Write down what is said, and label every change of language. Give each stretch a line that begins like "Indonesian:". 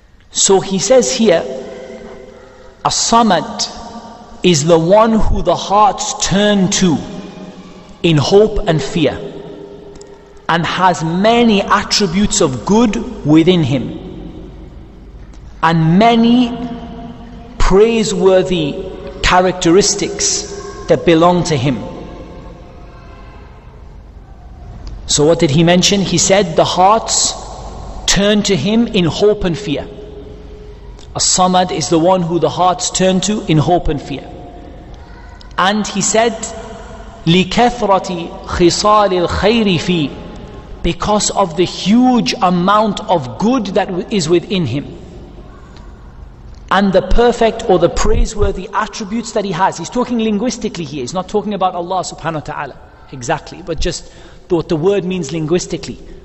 English: So he says here, As-Samad is the one who the hearts turn to in hope and fear, and has many attributes of good within him, and many praiseworthy characteristics that belong to him. So what did he mention? He said the hearts turn to him in hope and fear. As-Samad is the one who the hearts turn to in hope and fear. And he said,
Arabic: لِكَثْرَةِ خِصَالِ الْخَيْرِ فِي
English: because of the huge amount of good that is within him. And the perfect or the praiseworthy attributes that he has. He's talking linguistically here. He's not talking about Allah subhanahu wa ta'ala exactly, but just what the word means linguistically.